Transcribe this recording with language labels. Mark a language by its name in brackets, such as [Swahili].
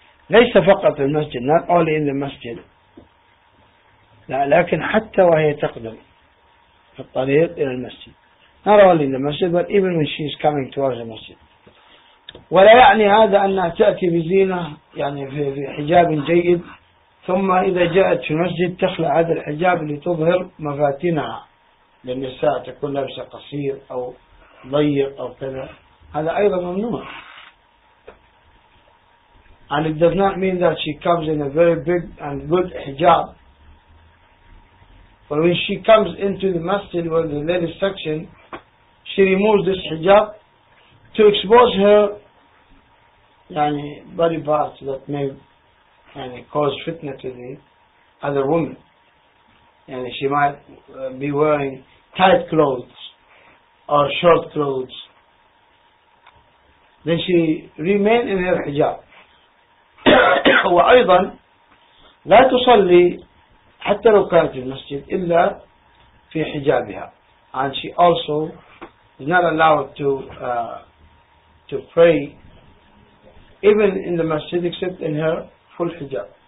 [Arabic] ليس فقط في المسجد, [English] not only in the masjid. [Arabic] لا, لكن حتى وهي تقدم في الطريق إلى المسجد. [English] Not only in the masjid, but even when she is coming towards the masjid. [Arabic] ولا يعني هذا أنها تأتي بزينة يعني في حجاب جيد ثم إذا جاءت في المسجد تخلع هذا الحجاب لتظهر مفاتنها, للنساء تكون لابسة قصير أو ضيق أو كذا, هذا أيضا ممنوع. [English] And it does not mean that she comes in a very big and good hijab. But when she comes into the masjid where the ladies section, she removes this hijab to expose her يعني body parts that may يعني cause fitna to the other woman. يعني she might be wearing tight clothes or short clothes. Then she remain in her hijab. [Arabic] وأيضا لا تصلي حتى لو كانت في المسجد إلا في حجابها. [English] And she also is not allowed to pray even in the masjid except in her full hijab.